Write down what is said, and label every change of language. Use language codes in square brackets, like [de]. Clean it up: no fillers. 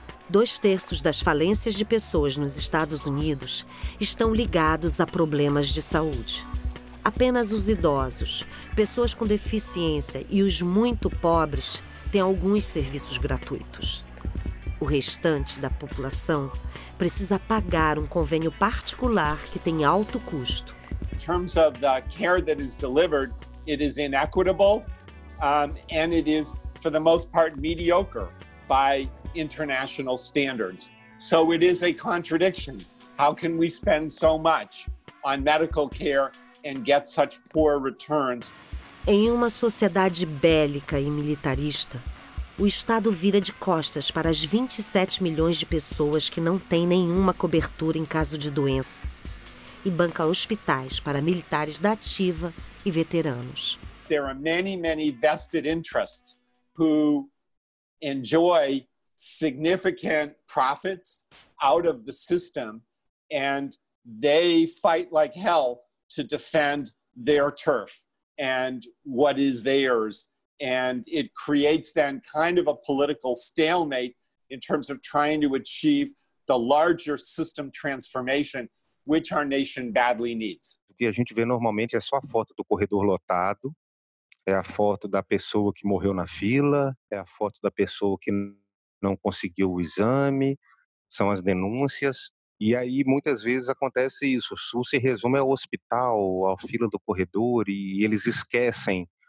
[pt] 2/3 das falências de pessoas nos Estados Unidos estão ligados a problemas de saúde. Apenas os idosos, pessoas com deficiência e os muito pobres têm alguns serviços gratuitos. O restante da população precisa pagar um convênio particular que tem alto custo. [en] In terms of the care that is delivered, it is inequitable and it is for the most part mediocre by international standards. So it is a contradiction. How can we spend so much on medical care and get such poor returns? [pt] Em uma sociedade bélica e militarista, o Estado vira de costas para as 27 milhões de pessoas que não têm nenhuma cobertura em caso de doença e banca hospitais para militares da ativa e veteranos. [en] There are many, many vested interests who enjoy significant profits out of the system and they fight like hell to defend their turf and what is theirs. And it creates then kind of a political stalemate in terms of trying to achieve the larger system transformation which our nation badly needs. [pt] O que a gente vê normalmente é só a foto do corredor lotado, é a foto da pessoa que morreu na fila, é a foto da pessoa que não conseguiu o exame, são as denúncias. E aí, muitas vezes, acontece isso. O SUS se resume ao hospital, à fila do corredor, e eles esquecem.